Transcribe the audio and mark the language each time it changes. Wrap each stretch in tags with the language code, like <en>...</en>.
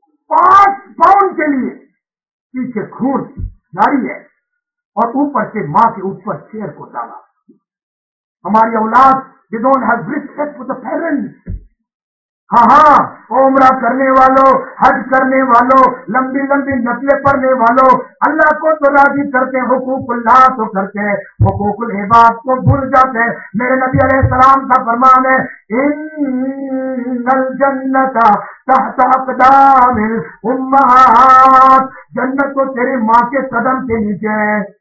<ur>5 pound کے لیے پیچھے خون جاری ہے اور اوپر سے ماں کے اوپر شیر کو ڈالا. ہماری اولاد</ur> <en>they don't have respect for the parents.</en> <ur>ہاں عمرہ کرنے والوں, حج کرنے والوں, لمبی لمبی نفلیں پڑھنے والوں, اللہ کو تو راضی کرتے ہیں, حقوق اللہ تو کرتے ہیں, حقوق العباد کو بھول جاتے ہیں. میرے نبی علیہ السلام کا فرمان ہے</ur> <ar>ان الجنت تحت اقدام الامہات,</ar> <ur>جنت تو تیرے ماں کے قدم کے نیچے ہے.</ur>